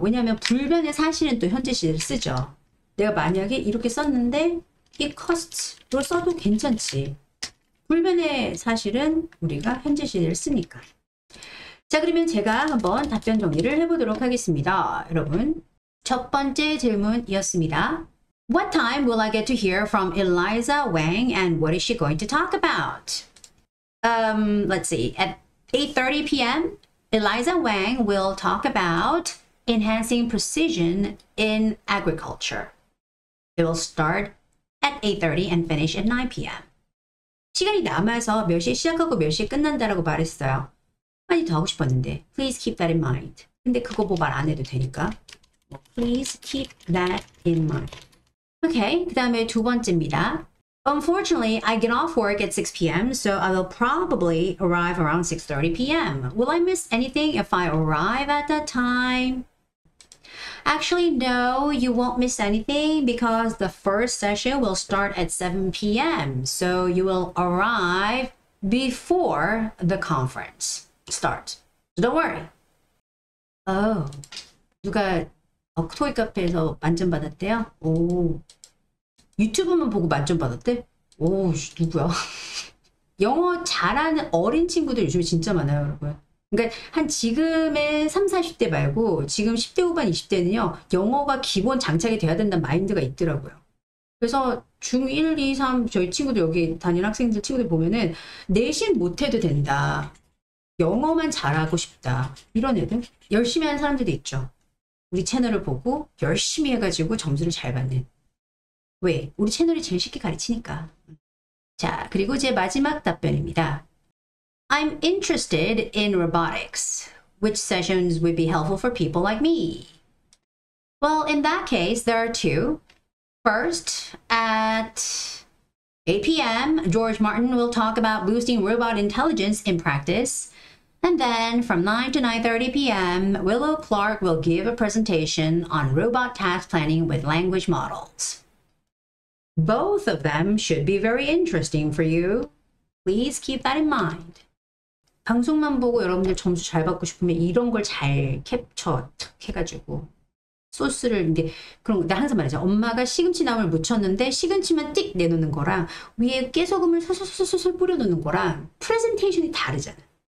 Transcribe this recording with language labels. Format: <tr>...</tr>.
<ko>왜냐하면 불변의 사실은 또 현재 시제를 쓰죠. 내가 만약에 이렇게 썼는데,</ko> <en>it costs</en> <ko>로 써도 괜찮지. 불변의 사실은 우리가 현재 시제를 쓰니까. 자, 그러면 제가 한번 답변 정리를 해보도록 하겠습니다. 여러분, 첫 번째 질문이었습니다.</ko> <en>What time will I get to hear from Eliza Wang and what is she going to talk about? Let's see. At 8:30 p.m., Eliza Wang will talk about Enhancing precision in agriculture. It will start at 8:30 and finish at 9 p.m.</en> <ko>시간이 남아서 몇 시에 시작하고 몇 시에 끝난다라고 말했어요. 많이 더 하고 싶었는데.</ko> <en>Please keep that in mind.</en> <ko>근데 그거 뭐 말 안 해도 되니까.</ko> <en>Please keep that in mind. Okay,</en> <ko>그 다음에 두 번째입니다.</ko> <en>Unfortunately, I get off work at 6 p.m., so I will probably arrive around 6:30 p.m. Will I miss anything if I arrive at that time? Actually, no, you won't miss anything because the first session will start at 7 p.m., so you will arrive before the conference starts. So don't worry.</en> <ko>Oh, 누가 토익 카페에서 만점 받았대요? 오. 유튜브만 보고 만점 받았대? 오, 누구야? 영어 잘하는 어린 친구들 요즘에 진짜 많아요, 여러분. 그러니까 한 지금의 30, 40대 말고 지금 10대 후반 20대는요. 영어가 기본 장착이 돼야 된다는 마인드가 있더라고요. 그래서 중 1, 2, 3 저희 친구들 여기 다니는 학생들 친구들 보면은 내신 못해도 된다. 영어만 잘하고 싶다. 이런 애들. 열심히 하는 사람들도 있죠. 우리 채널을 보고 열심히 해가지고 점수를 잘 받는. 왜? 우리 채널이 제일 쉽게 가르치니까. 자, 그리고 제 마지막 답변입니다.</ko> <en>I'm interested in robotics. Which sessions would be helpful for people like me? Well, in that case, there are two. First, at 8 p.m., George Martin will talk about boosting robot intelligence in practice. And then from 9 to 9:30 p.m., Willow Clark will give a presentation on robot task planning with language models. Both of them should be very interesting for you. Please keep that in mind.</en> <ko>방송만 보고 여러분들 점수 잘 받고 싶으면 이런 걸 잘 캡처 탁 해가지고 소스를 이제 그런 거 나 항상 말하죠. 엄마가 시금치나물 무쳤는데 시금치만 띡 내놓는 거랑 위에 깨소금을 소소소소소 뿌려놓는 거랑 프레젠테이션이 다르잖아.</ko>